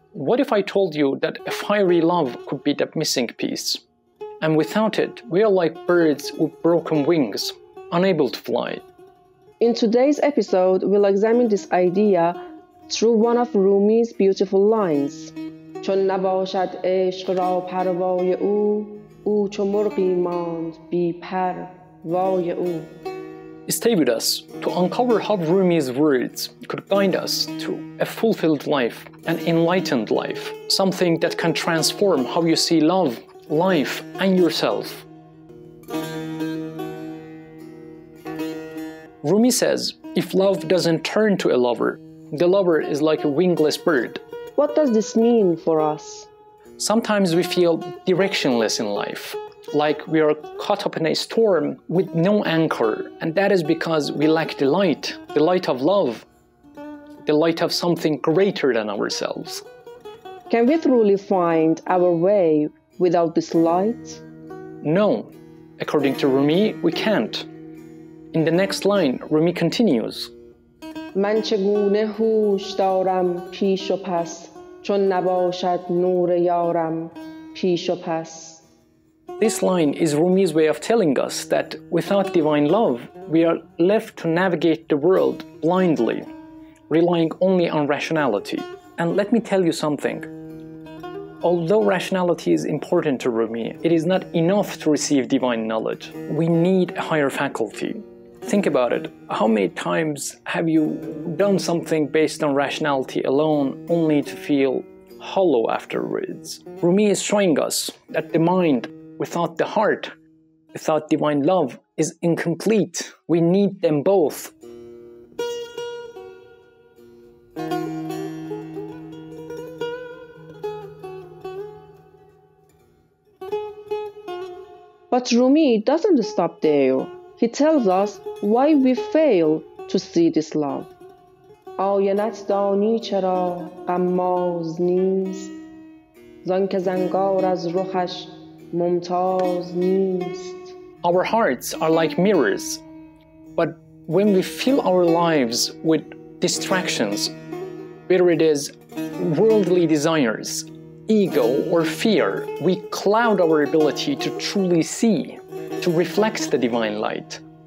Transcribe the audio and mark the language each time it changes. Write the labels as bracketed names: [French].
[English] What if I told you that a fiery love could be that missing piece? And without it, we are like birds with broken wings, unable to fly. In today's episode, we'll examine this idea through one of Rumi's beautiful lines. [Persian] چون نباشد عشق را پروای او او چو مرغی ماند بی پر وای او. [English] Stay with us to uncover how Rumi's words could guide us to a fulfilled life, an enlightened life, something that can transform how you see love, life, and yourself. Rumi says, if love doesn't turn to a lover, the lover is like a wingless bird. What does this mean for us? Sometimes we feel directionless in life, like we are caught up in a storm with no anchor, and that is because we lack the light of love, the light of something greater than ourselves. Can we truly find our way without this light? No, according to Rumi, we can't. In the next line, Rumi continues. [Persian] من چگونه هوش دارم پیش و پس چون نباشد نور یارم پیش و پس. [English] This line is Rumi's way of telling us that without divine love, we are left to navigate the world blindly, relying only on rationality. And let me tell you something. Although rationality is important to Rumi, it is not enough to receive divine knowledge. We need a higher faculty. Think about it. How many times have you done something based on rationality alone, only to feel hollow afterwards? Rumi is showing us that the mind, without the heart, without divine love, is incomplete. We need them both. But Rumi doesn't stop there. He tells us why we fail to see this love. [Persian] آینت دانی چرا قماز نیست زان که زنگار از روحش ممتاز نیست. [English] Our hearts are like mirrors, but when we fill our lives with distractions, whether it is worldly desires, ego, or fear, we cloud our ability to truly see, to reflect the divine light.